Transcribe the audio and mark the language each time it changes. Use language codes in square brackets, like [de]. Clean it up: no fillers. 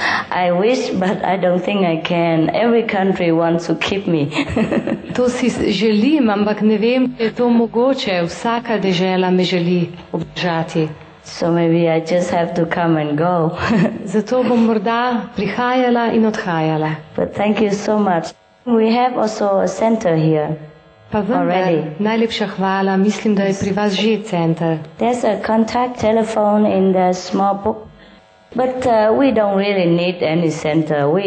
[en] I wish, but I don't think I can. Every country wants to keep me. [sl] To si želim, ampak ne vem, če je to mogoče. Vsaka dežela me želi obdržati. [en] So maybe I just have to come and go. [sl] Zato bom morda prihajala in odhajala. [en] But thank you so much. We have also a center here. [sl] Pa vendar, [en] already. [sl] Najlepša hvala. Mislim, da je pri vas že center. [en] There's a contact telephone in the small book. But we don't really need any center.